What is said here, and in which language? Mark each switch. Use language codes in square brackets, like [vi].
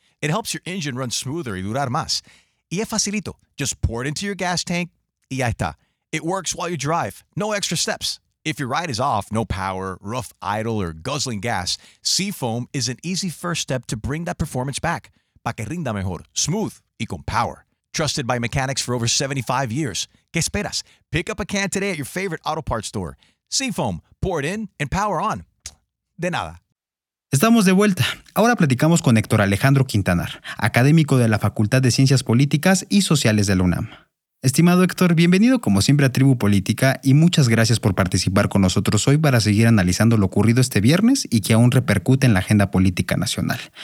[en] It helps your engine run smoother [es] y durar más. Y es facilito. [en] Just pour it into your gas tank [es] y ya está. [en] It works while you drive. No extra steps. If your ride is off, no power, rough idle, or guzzling gas, Seafoam is an easy first step to bring that performance back. Pa' que rinda mejor, smooth, y con power. Trusted by mechanics for over 75 years. [es] ¿Qué esperas? [en] Pick up a can today at your favorite auto parts store. Seafoam. Pour it in and power on. [es] De nada. Estamos de vuelta. Ahora platicamos con Héctor Alejandro Quintanar, académico de la Facultad de Ciencias Políticas y Sociales de la UNAM. Estimado Héctor, bienvenido como siempre a Tribu Política y muchas gracias por participar con nosotros hoy para seguir analizando lo ocurrido este viernes y que aún repercute en la agenda política nacional.